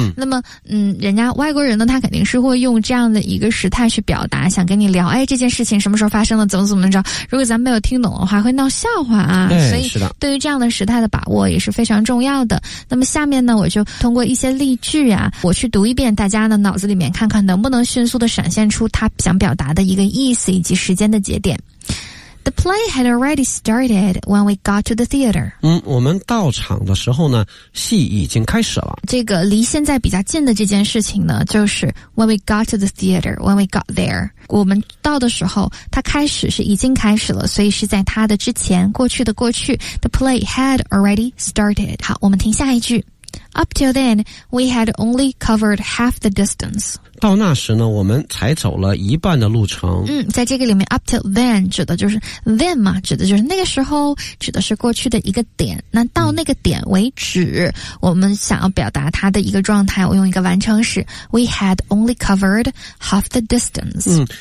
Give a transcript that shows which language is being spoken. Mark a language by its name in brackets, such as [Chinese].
[Chinese] 那么人家外国人呢他肯定是会用这样的一个时态去表达，想跟你聊哎这件事情什么时候发生了怎么怎么着，如果咱们没有听懂的话会闹笑话啊。所以对于这样的时态的把握也是非常重要的。那么下面呢我就通过一些例句啊我去读一遍，大家呢脑子里面看看能不能迅速的闪现出他想表达的一个意思以及时间的节点。 [English] The play had already started when we got to the theater. [Chinese] 我们到场的时候呢戏已经开始了。这个离现在比较近的这件事情呢就是 [English] when we got to the theater, when we got there. [Chinese] 我们到的时候它开始是已经开始了，所以是在它的之前，过去的过去。 [English] The play had already started. [Chinese] 好，我们听下一句。 [English] Up till then, we had only covered half the distance. [Chinese] 到那时呢，我们才走了一半的路程。在这个里面 [English] up till then [Chinese] 指的就是 then 嘛，指的就是那个时候，指的是过去的一个点。那到那个点为止，我们想要表达它的一个状态，我用一个完成时 [English] we had only covered half the distance.